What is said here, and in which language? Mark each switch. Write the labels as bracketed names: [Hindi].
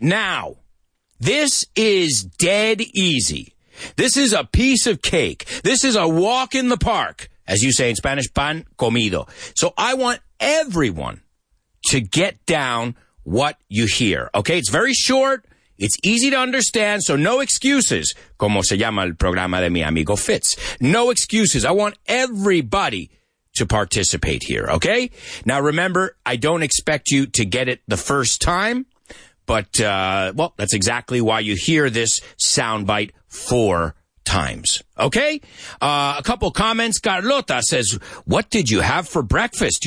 [English] Now, this is dead easy. This is a piece of cake. This is a walk in the park, as you say in Spanish, [Spanish] pan comido. [English] So I want everyone to get down what you hear. Okay, it's very short. It's easy to understand, so no excuses. [Spanish] Como se llama el programa de mi amigo Fitz. [English] No excuses. I want everybody to participate here, okay? Now, remember, I don't expect you to get it the first time, but, well, that's exactly why you hear this soundbite four times, okay? A couple comments. Carlota says, what did you have for breakfast?